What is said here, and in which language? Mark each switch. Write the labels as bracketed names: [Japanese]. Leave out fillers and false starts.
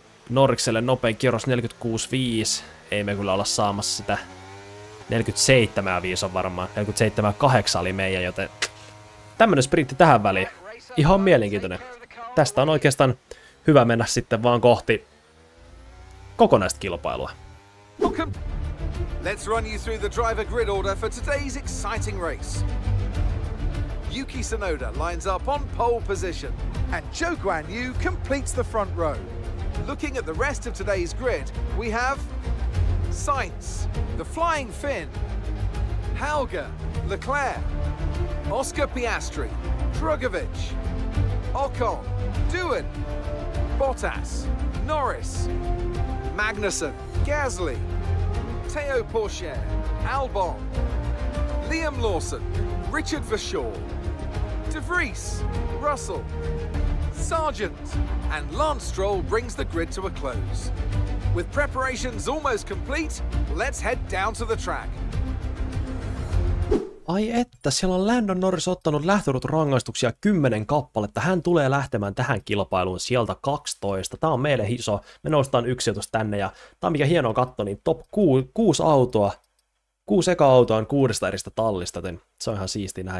[Finnish] Norikselle nopein kierros 46.5. Ei me kyllä olla saamassa sitä. 47.5 on varmaan. 47.8 oli meidän, joten... Tämmönen sprintti tähän väliin. Ihan mielenkiintoinen. Tästä on oikeastaan hyvä mennä sitten vaan kohti... kokonaista kilpailua. [English] Let's run you through the driver grid order for today's exciting race. Yuki Tsunoda lines up on pole position. And Zhou Guan Yu completes the front row. Looking at the rest of today's grid, we have Sainz, the Flying Finn, Helga, Leclerc, Oscar Piastri, Drugovich, Ocon, Doohan, Bottas, Norris, Magnussen, Gasly, Theo Pourchaire, Albon, Liam Lawson, Richard Vachon, De Vries, Russell, Sergeant, and Lance Stroll brings the grid to a close. With preparations almost complete, let's head down to the track. [Finnish] Ai että, siellä on Lando Norris ottanut lähtöruuturangaistuksia 10 kappaletta. Hän tulee lähtemään tähän kilpailuun sieltä 12. Tämä on meille iso. Me noustaan yksi sijoitus tänne ja tämä mikä hienoa katto, niin top 6 autoa. 6 eka autoa on 6 eri tallista, joten se on ihan siistiä nähdä.